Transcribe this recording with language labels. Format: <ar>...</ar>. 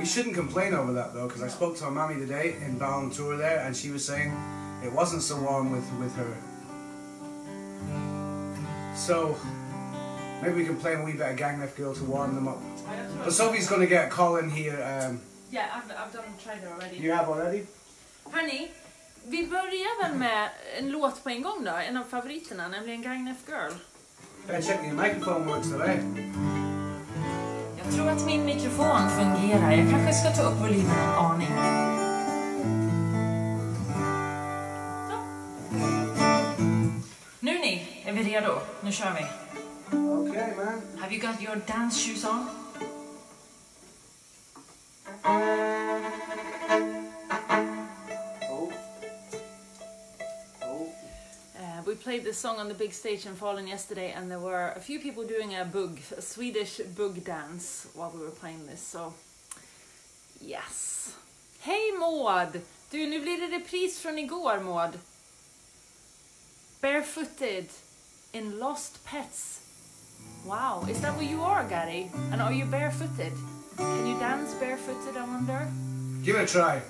<en>We shouldn't complain over that though, because I spoke to our mammy today in Ballantour there, and she was saying it wasn't so warm with her. So maybe we can play a wee bit of Gangnef Girl to warm them up. But Sophie's going to get a call in here. Yeah, I've done tried it already. You have already?</en> <sv>Honey, vi börjar väl med en låt på en gång då, en av favoriterna, nämligen Gangnef Girl.</sv> <en>Better check your microphone works today.</en> <sv>Jag tror att min mikrofon fungerar. Jag kanske ska ta upp volymen en aning. Så. Nu ni, är vi redo? Nu kör vi.</sv> <en>Okay, man. Have you got your dance shoes on? We played this song on the big stage in Falun yesterday, and there were a few people doing a boog, a Swedish boog dance while we were playing this, so... Yes. Hej Maud!</en> <sv>Du, nu blir det repris från igår, Maud.</sv> <en>Barefooted in lost pets. Wow, is that where you are, Gary? And are you barefooted? Can you dance barefooted, I wonder? Give it a try.</en>